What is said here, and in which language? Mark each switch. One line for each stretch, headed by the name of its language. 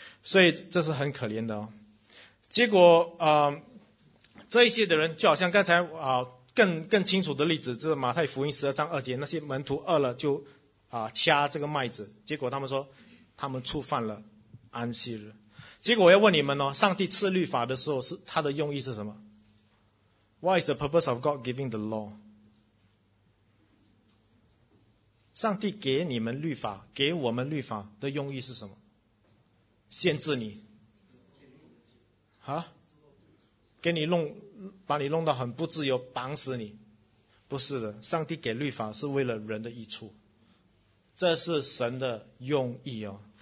Chinese: 所以这是很可怜的哦。结果这一些的人就好像刚才更清楚的例子，就是马太福音12章2节，那些门徒饿了就掐这个麦子，结果他们说他们触犯了安息日。结果我要问你们哦，上帝赐律法的时候是他的用意是什么？
English: What is the purpose of God giving the law?
Chinese: 上帝给你们律法，给我们律法的用意是什么？限制你啊，给你弄，把你弄到很不自由，绑死你。不是的，上帝给律法是为了人的益处，这是神的用意哦。